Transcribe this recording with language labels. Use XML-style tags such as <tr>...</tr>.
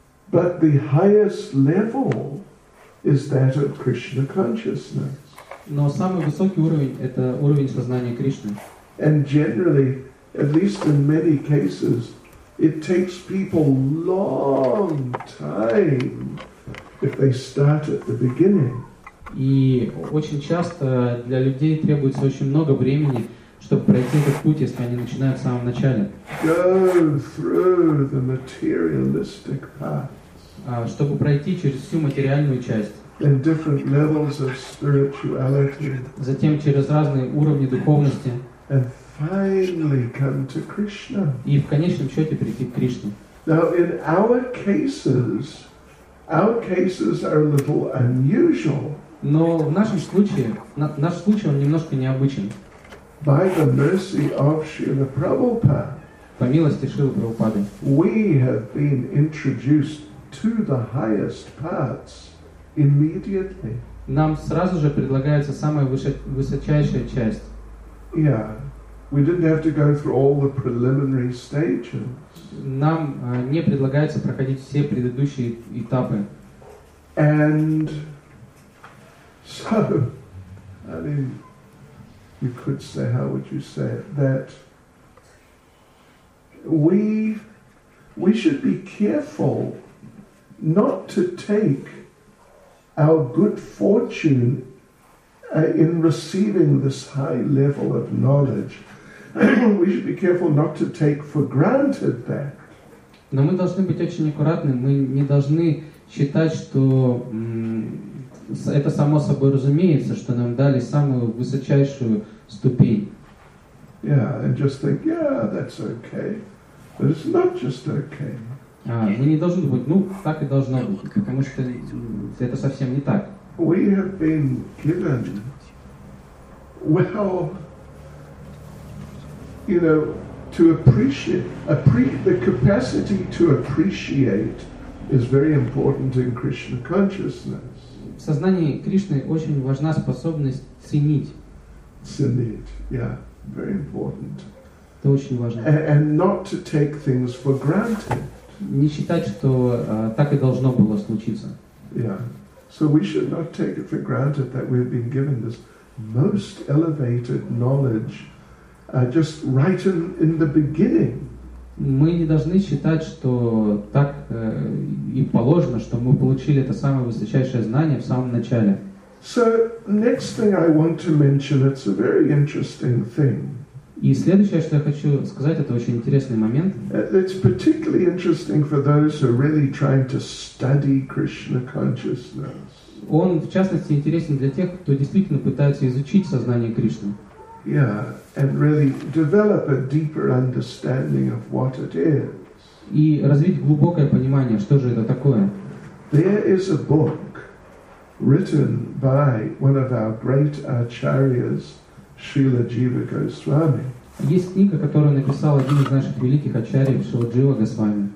<en>But the highest level is that of Krishna consciousness.</en> <ru>Но самый высокий уровень – это уровень сознания Кришны.</ru> <en>And generally, at least in many cases, it takes people long time. If they start at the beginning.</en> <ru>И очень часто для людей требуется очень много времени, чтобы пройти этот путь, если они начинают в самом начале.</ru> <en>Go through the materialistic parts.</en> <ru>Чтобы пройти через всю материальную часть.</ru> <en>And different levels of spirituality.</en> <ru>Затем через разные уровни духовности.</ru> <en>And finally come to Krishna.</en> <ru>И в конечном счете прийти к Кришне.</ru> <en>Now in our cases. Our cases are a little unusual.</en> <ru>Но в нашем случае, наш случай, он немножко необычен.</ru> <en>By the mercy of Srila Prabhupada.</en> <ru>По милости Шрилы Прабхупады.</ru> <en>We have been introduced to the highest parts immediately.</en> <ru>Нам сразу же предлагается самая высочайшая часть.</ru> <en>Yeah. We didn't have to go through all the preliminary stages.</en> <ru>Нам не предлагается проходить все предыдущие этапы.</ru> <en>And so, I mean, you could say, how would you say it, that we should be careful not to take our good fortune in receiving this high level of knowledge. We should be careful not to take for granted that.</en> <ru>Но мы должны быть очень аккуратны. Мы не должны считать, что это само собой разумеется, что нам дали самую высочайшую ступень.</ru> <en>Yeah, and just think, yeah, that's okay. But it's not just okay.</en> <ru>А, мы не должны быть, ну, так и должно быть, потому что это совсем не так.</ru> <en>We have been given, well, you know, to appreciate, the capacity to appreciate is very important in Krishna consciousness.</en> <ru>В сознании Кришны очень важна способность ценить. Ценить,</ru> <en>yeah, very important.</en> <ru>Это очень важно.</ru> <en>And not to take things for granted.</en> <ru>Не считать, что так и должно было случиться.</ru> <en>Yeah. So we should not take it for granted that we've been given this most elevated knowledge just right in the beginning.</en> <ru>Мы не должны считать, что так и положено, что мы получили это самое высочайшее знание в самом начале.</ru> <en>So next thing I want to mention, it's a very interesting thing.</en> <ru>И следующее, что я хочу сказать, это очень интересный момент.</ru> <en>It's particularly interesting for those who are really trying to study Krishna consciousness.</en> <ru>Он, в частности, интересен для тех, кто действительно пытается изучить сознание Кришны.</ru> <en>Yeah, and really develop a deeper understanding of what it is.</en> <ru>И развить глубокое понимание, что же это такое.</ru> <en>There is a book written by one of our great acharyas, Srila Jiva Goswami.</en> <ru>Есть книга, которую написал один из наших великих ачарий, Шрила Джива Госвами.</ru>